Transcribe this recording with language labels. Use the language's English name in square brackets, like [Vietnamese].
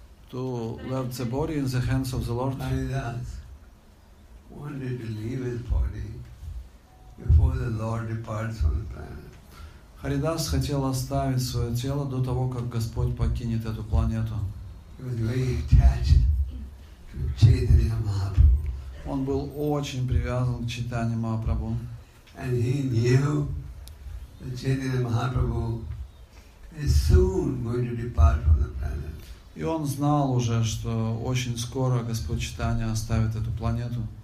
[English] To leave the body in the hands of the Lord. Haridas wanted to leave his body before the Lord departs from the planet. [Russian] Haridas хотел оставить свое тело до того, как Господь покинет эту планету. [English] He was very attached to Chaitanya Mahaprabhu. [Russian] Он был очень привязан к Чайтанье Махапрабху. [English] And he knew that Chaitanya Mahaprabhu is soon going to depart from the planet. [Russian] И он знал уже, что очень скоро Господь Чайтанья оставит эту планету.